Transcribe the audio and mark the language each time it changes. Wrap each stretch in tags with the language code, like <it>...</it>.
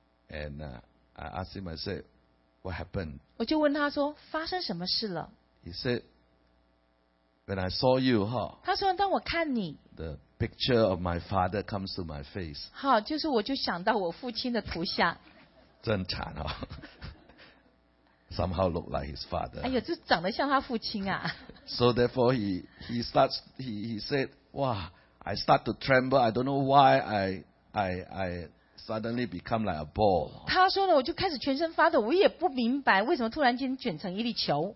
<en>And I asked him, I said, "What happened?"</en> <zh>我就问他说发生什么事了。</zh> <en>He said, "When I saw you, 哈。</en> <zh>他说当我看你。</zh> <en>The picture of my father comes to my face.</en> <zh>好，就是我就想到我父亲的图像。真惨哈。</zh> <en>Somehow look like his father.</en> <zh>哎呦，这长得像他父亲啊。</zh> <en>So therefore he said, "Wow, I start to tremble. I don't know why I suddenly become like a ball."</en> <zh>他说呢，我就开始全身发抖，我也不明白为什么突然间卷成一粒球。</zh>